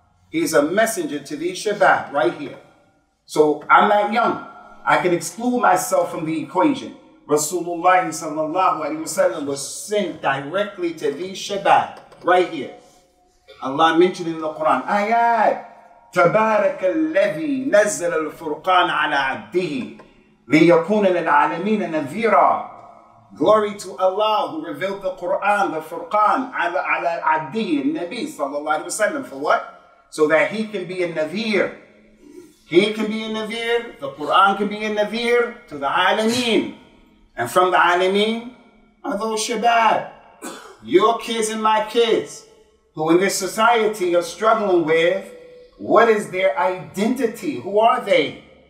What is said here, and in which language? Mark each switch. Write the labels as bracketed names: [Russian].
[English] He's a messenger to the Shabab right here. So I'm not young. I can exclude myself from the equation. [Arabic] Rasulullah sallallahu alayhi wa sallam [English] was sent directly to the Shabab right here. Allah mentioned in the Quran, ayat. [Arabic] تبارك الذي نزل الفرقان على عبده ليكون للعالمين نذيرا. [English] Glory to Allah who revealed the Quran, the Furqan, [Arabic] على عبده, النبي صلى الله عليه وسلم. [English] For what? So that he can be a nadir. He can be a nadir, the Quran can be a nadir to the alameen. And from the alameen are those shabab, your kids and my kids, who in this society are struggling with what is their identity? Who are they?